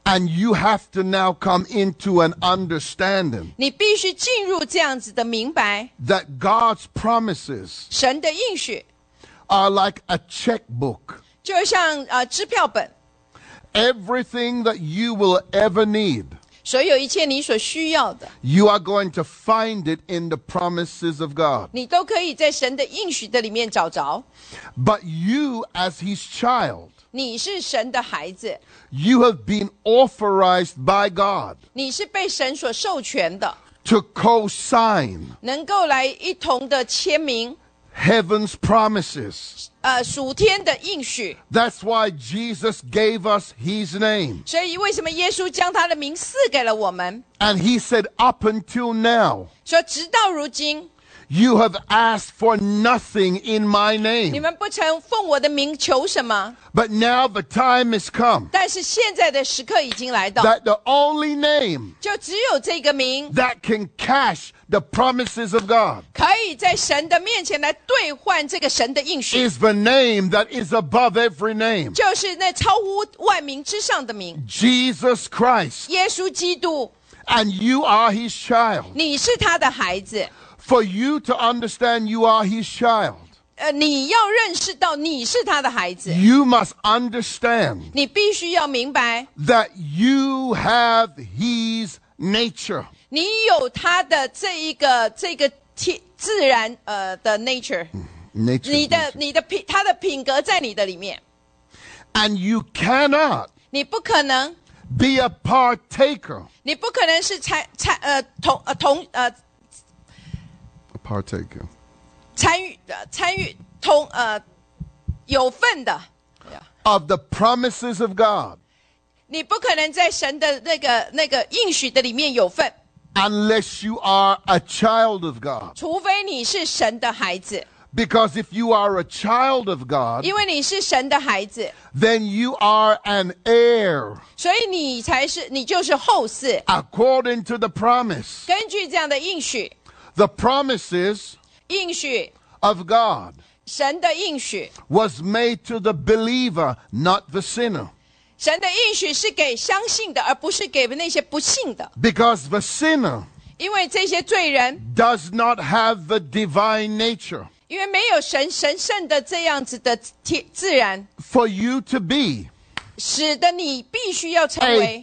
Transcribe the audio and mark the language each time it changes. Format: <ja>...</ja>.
<en>and you have to now come into an understanding</en> <zh>你必须进入这样子的明白</zh> <en>that God's promises</en> <zh>神的应许</zh> <en>are like a checkbook</en> <zh>就像支票本</zh> <en>everything that you will ever need</en> <zh>所有一切你所需要的</zh> <en>You are going to find it in the promises of God.</en> <zh>你都可以在神的应许的里面找着</zh> <en>But you as his child.</en> <zh>你是神的孩子</zh> <en>You have been authorized by God.</en> <zh>你是被神所授权的</zh> <en>To co-sign.</en> <zh>能够来一同的签名</zh> <en>Heaven's promises.</en> <zh>属天的应许</zh> <en>That's why Jesus gave us his name</en> <zh>所以为什么耶稣将他的名赐给了我们</zh> <en>And he said up until now</en> <zh>说直到如今</zh> <en>You have asked for nothing in my name</en> <zh>你们不曾奉我的名求什么</zh> <en>But now the time has come</en> <zh>但是现在的时刻已经来到</zh> <en>That the only name</en> <zh>就只有这个名</zh> <en>That can cash the promises of God</en> <zh>可以在神的面前来兑换这个神的应许</zh> <en>is the name that is above every name</en> <zh>就是那超乎万名之上的名</zh> <en>Jesus Christ</en> <zh>耶稣基督</zh> <en>and you are his child</en> <zh>你是他的孩子</zh> <en>for you to understand you are his child</en> <zh>你要认识到你是他的孩子</zh> <en>you must understand</en> <zh>你必须要明白</zh> <en>that you have his nature</en> <zh>你有他的这个自然的 nature 你的他的品格在你的里面</zh> <en>and you cannot</en> <zh>你不可能</zh> <en>be a partaker</en> <zh>你不可能是</zh> <en>a partaker</en> <zh>参与有份的</zh> <en>of the promises of God</en> <zh>你不可能在神的那个应许的里面有份。</zh> <en>Unless you are a child of God.</en> <zh>除非你是神的孩子。</zh> <en>Because if you are a child of God,</en> <zh>因为你是神的孩子,</zh> <en>then you are an heir.</en> <zh>所以你才是, 你就是后嗣,</zh> <en>according to the promise.</en> <zh>根据这样的应许,</zh> <en>the promises</en> <zh>应许,</zh> <en>of God</en> <zh>神的应许,</zh> <en>was made to the believer, not the sinner.</en> <zh>神的应许是给相信的, 而不是给那些不信的。</zh> <en>Because the sinner</en> <zh>因为这些罪人,</zh> <en>does not have the divine nature.</en> <zh>因为没有神神圣的这样子的自然</zh> <en>，for you to be，</en> <zh>使得你必须要成为</zh>